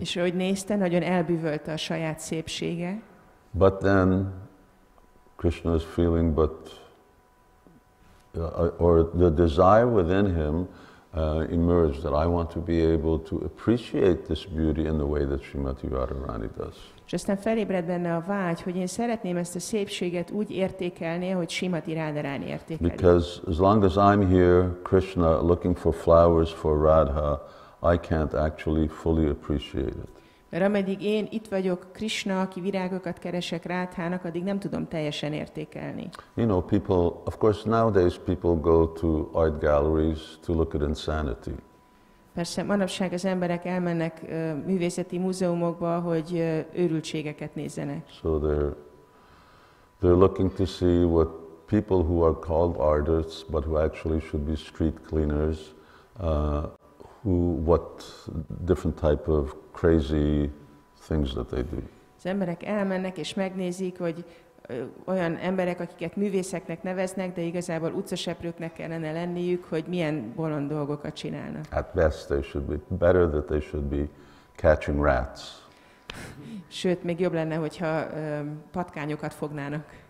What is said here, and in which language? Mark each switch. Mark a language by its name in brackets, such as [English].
[Hungarian] És ahogy nézte, nagyon elbűvölte a saját szépsége. [English] But then Krishna is feeling, but or the desire within him emerged that I want to be able to appreciate this beauty in the way that Srimati Radharani does. [Hungarian] És aztán felébred benne a vágy, hogy én szeretném ezt a szépséget úgy értékelni, ahogy Srimati Radharani értékeli. [English] Because as long as I'm here, Krishna, looking for flowers for Radha, I can't actually fully appreciate it. [Hungarian] Mert ameddig én itt vagyok, Krishna, aki virágokat keresek Rádhának, addig nem tudom teljesen értékelni. [English] You know, people, of course, nowadays people go to art galleries to look at insanity. [Hungarian] Persze, manapság az emberek elmennek művészeti múzeumokba, hogy őrültségeket nézzenek. [English] So they're looking to see what people who are called artists, but who actually should be street cleaners, what different type of crazy things that they do. [Hungarian] Az emberek elmennek és megnézik, hogy olyan emberek, akiket művészeknek neveznek, de igazából utcaseprőknek kellene lenniük, hogy milyen bolond dolgokat csinálnak. [English] At best they should be better that they should be catching rats. [Hungarian] Sőt, még jobb lenne, hogyha patkányokat fognának.